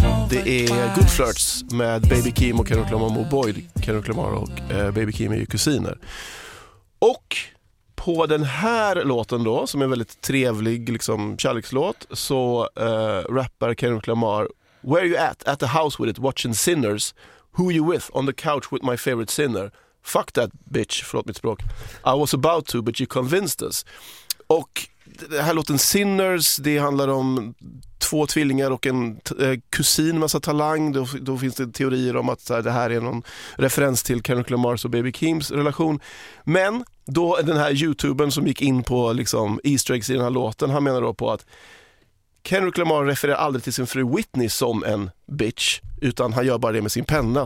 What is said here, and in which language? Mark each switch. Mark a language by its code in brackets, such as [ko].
[sv] Det är Good Flirts med Baby Keem och Kendrick Lamar och Boyd. Kendrick Lamar och Baby Keem är ju kusiner. Och på den här låten då, som är väldigt trevlig liksom kärlekslåt, så rappar Kendrick Lamar: [en] Where you at the house with it, watching Sinners? Who you with, on the couch with my favorite sinner? Fuck that bitch, [sv] förlåt mitt språk. [en] I was about to, but you convinced us. [sv] Och det här låten Sinners, det handlar om två tvillingar och en kusin, massa talang. Då finns det teorier om att så här, det här är någon referens till Kendrick Lamar och Baby Keems relation. Men då den här YouTubern som gick in på liksom, easter eggs i den här låten, han menar då på att Kendrick Lamar refererar aldrig till sin fru Whitney som en bitch, utan han gör bara det med sin penna.